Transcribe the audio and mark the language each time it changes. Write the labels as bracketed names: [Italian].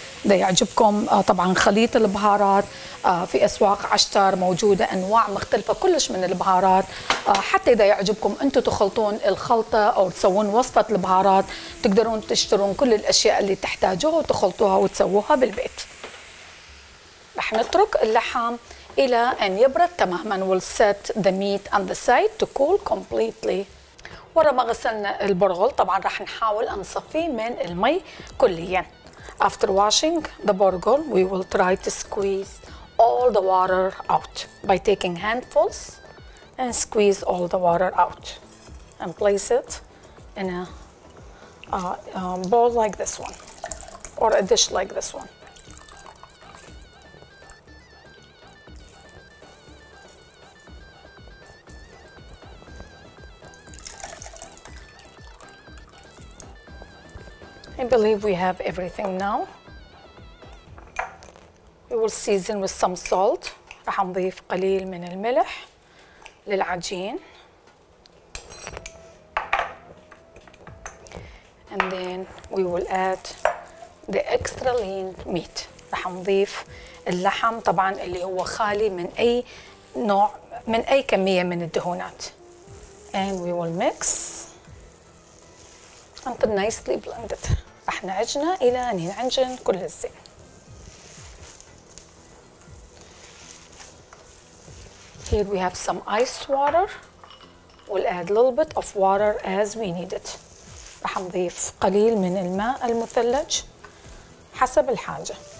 [Arabic] إذا يعجبكم طبعا خليط البهارات في أسواق عشتار موجودة أنواع مختلفة كلش من البهارات، حتى إذا يعجبكم أنتم تخلطون الخلطة أو تسوون وصفة البهارات تقدرون تشترون كل الأشياء اللي تحتاجوها وتخلطوها وتسووها بالبيت. رح نترك اللحم إلى أن يبرد تماما. [English] We'll set the meat on the side to cool completely. [Arabic] ورا ما غسلنا البرغل طبعا رح نحاول نصفيه من المي كليا. [English] After washing the borgol, we will try to squeeze all the water out by taking handfuls and squeeze all the water out and place it in a bowl like this one or a dish like this one. I believe we have everything now. We will season with some salt. [Arabic] راح نضيف قليل من الملح للعجين. [English] And then we will add the extra lean meat. [Arabic] راح نضيف اللحم طبعا اللي هو خالي من اي نوع من اي كميه من الدهونات. [English] And we will mix until nicely blended. [Arabic] راح نعجنه الى ان ينعجن كل الزين. [English] Here we have some ice water. We'll add a little bit of water as we need it. [Arabic] راح نضيف قليل من الماء المثلج حسب الحاجة.